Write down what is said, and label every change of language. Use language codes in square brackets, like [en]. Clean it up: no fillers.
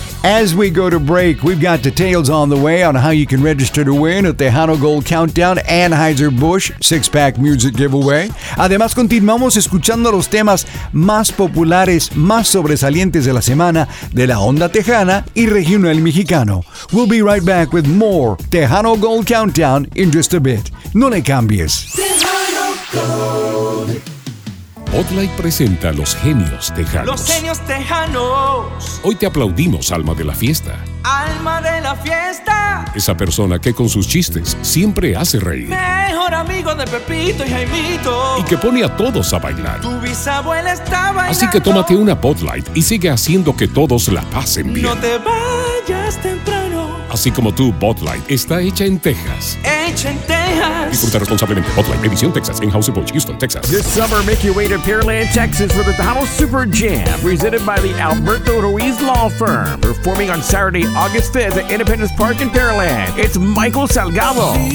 [en] As we go to break, we've got details on the way on how you can register to win at the Tejano Gold Countdown Anheuser-Busch six-pack music giveaway. [es] Además, continuamos escuchando los temas más populares, más sobresalientes de la semana de la onda tejana y regional mexicano. [en] We'll be right back with more Tejano Gold Countdown in just a bit. [es] No le cambies. Tejano Gold. Spotlight presenta Los Genios Tejanos. Los Genios Tejanos. Hoy te aplaudimos, alma de la fiesta. Alma de la fiesta. Esa persona que con sus chistes siempre hace reír. Mejor amigo de Pepito y Jaimito. Y que pone a todos a bailar. Tu bisabuela está bailando. Así que tómate una Spotlight y sigue haciendo que todos la pasen bien. No te vayas temprano. Así como tú, Spotlight está hecha en Texas. Hecha en Texas. Disfruta responsablemente. Spotlight, Edición Texas, [en] in-house approach, [es] Houston, Texas. [en] This summer, make your way to Pearland, Texas for the Tejano Super Jam, presented by the Alberto Ruiz Law Firm. Performing on Saturday, August 5th at Independence Park in Pearland. It's Michael Salgado.